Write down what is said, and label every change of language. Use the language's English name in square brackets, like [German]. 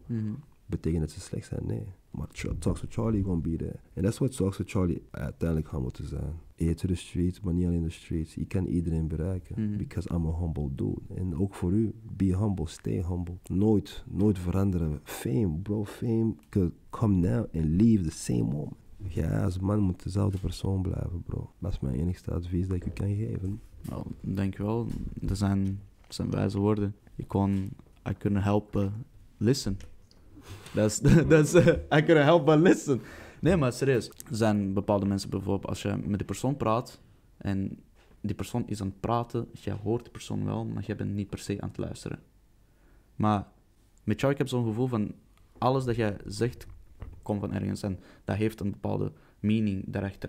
[Dutch] Mm-hmm. Betekent dat ze slecht zijn? Nee. Maar Talks with Charlie gewoon bieden. En dat is wat Talks with Charlie uiteindelijk gaan moeten zijn. Eten de street, maar niet alleen de street. Ik kan iedereen bereiken. Mm-hmm. [English] Because I'm a humble dude. [Dutch] En ook voor u, [English] be humble, stay humble. [Dutch] Nooit, nooit veranderen. [English] Fame, bro, fame could come now and leave the same moment. [Dutch] Ja, als man moet dezelfde persoon blijven, bro. Dat is mijn enigste advies dat ik u kan geven. Nou, dankjewel. Dat zijn wijze woorden. [English] I couldn't help but listen. I couldn't help but listen. [Dutch] Nee, maar serieus. Er zijn bepaalde mensen bijvoorbeeld, als je met die persoon praat en die persoon is aan het praten, jij hoort die persoon wel, maar jij bent niet per se aan het luisteren. Maar met jou, ik heb zo'n gevoel van alles dat jij zegt, komt van ergens en dat heeft een bepaalde meaning daarachter.